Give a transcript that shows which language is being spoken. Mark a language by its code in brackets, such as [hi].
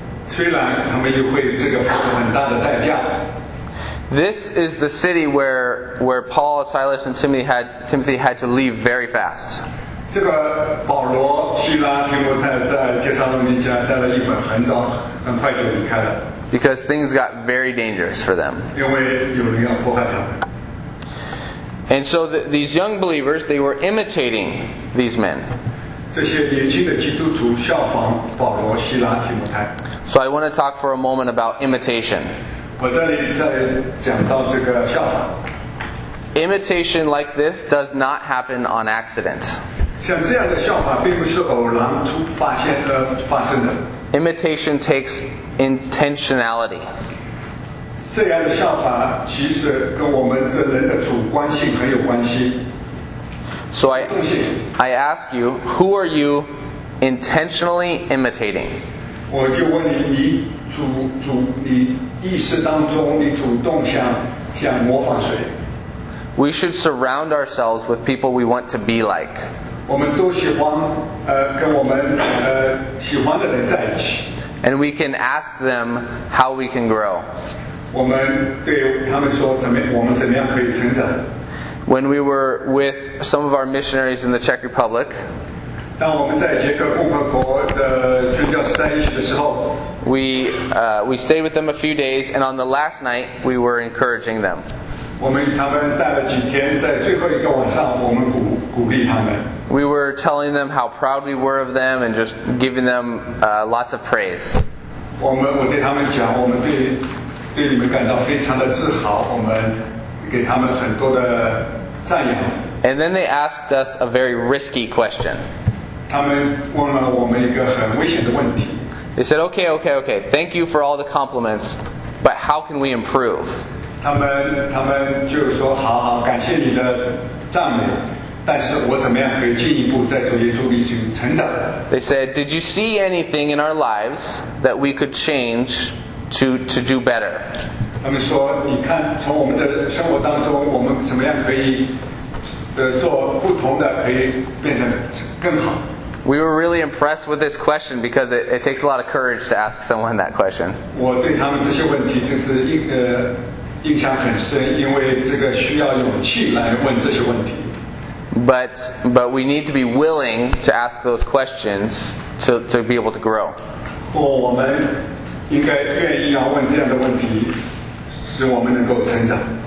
[zh] 虽然他们又会这个付出很大的代价, [en] This is the city where Paul, Silas, and Timothy had to leave very fast. [zh] 这个保罗、希拉、提摩太在帖撒罗尼迦待了一会儿，很早很快就离开了。 [en] Because things got very dangerous for them. [zh] 因为有人要迫害他们。 [en] And so these young believers, they were imitating these men. [zh] 这些年轻的基督徒效仿保罗、希拉、提摩太。 [en] So I want to talk for a moment about imitation. [zh] 我这里再讲到这个效仿。 [en] Imitation like this does not happen on accident. [zh] 像这样的效法并不是偶然发生的。 [en] Imitation takes intentionality. [zh] 这样的效法其实跟我们这人的主观性很有关系。 [en] So I ask you, who are you intentionally imitating? [zh] 我就问你，你意识当中你主动想模仿谁？ [en] We should surround ourselves with people we want to be like. [zh] 我们都喜欢跟我们喜欢的人在一起。 [en] And we can ask them how we can grow. [zh] 我们对他们说我们怎么样可以成长。 [en] When we were with some of our missionaries in the Czech Republic, [zh] 当我们在捷克共和国的宣教士在一起的时候。 [en] We stayed with them a few days, and on the last night, we were encouraging them. [zh] 我们他们带了几天，在最后一个晚上，我们鼓励他们。 [en] We were telling them how proud we were of them and just giving them lots of praise. [zh] 我对他们讲，我们对你们感到非常的自豪，我们给他们很多的赞扬。 [en] And then they asked us a very risky question. [zh] 他们问了我们一个很危险的问题。 [en] They said, okay, thank you for all the compliments, but how can we improve? [zh] 他们就说好，感谢你的赞美，但是我怎么样可以进一步再做一些努力去成长 [en] ？They said, "Did you see anything in our lives that we could change to do better?" [zh] 他们说，你看从我们的生活当中，我们怎么样可以做不同的，可以变成更好。 [en] We were really impressed with this question because it takes a lot of courage to ask someone that question. [zh] 我对他们这些问题就是印象很深，因为这个需要勇气来问这些问题。 [en] But we need to be willing to ask those questions to be able to grow. [zh] 我们应该愿意要问这样的问题，使我们能够成长。